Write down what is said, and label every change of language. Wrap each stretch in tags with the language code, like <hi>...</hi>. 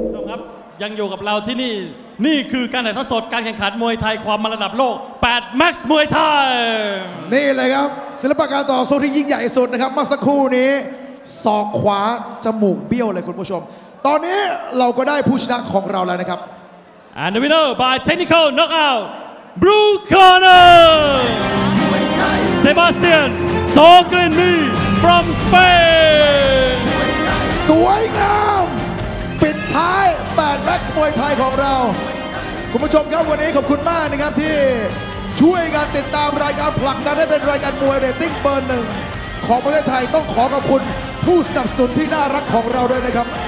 <th>ครับยังอยู่กับเราที่นี่นี่คือการถ่ายทอดสดการแข่งขันมวยไทยความมันระดับโลก8 Max มวยไทย นี่เลยครับศิลปะการต่อสู้ที่ยิ่งใหญ่สุดนะครับเมื่อสักครู่นี้ศอกขวาจมูกเบี้ยวเลยคุณผู้ชมตอนนี้เราก็ได้ผู้ชนะของเราแล้วนะครับ</th> <en>And the winner by technical knockout Blue Corner Sebastian Soglini from Spain</en> <th>สวยงามปิดท้าย8 Max มวยไทยของเราคุณผู้ชมครับวันนี้ขอบคุณมากนะครับที่ช่วยกันติดตามรายการผลักดันให้เป็นรายการมวยเรตติ้งเบอร์หนึ่งของประเทศไทยต้องขอขอบคุณผู้สนับสนุนที่น่ารักของเราด้วยนะครับ</th>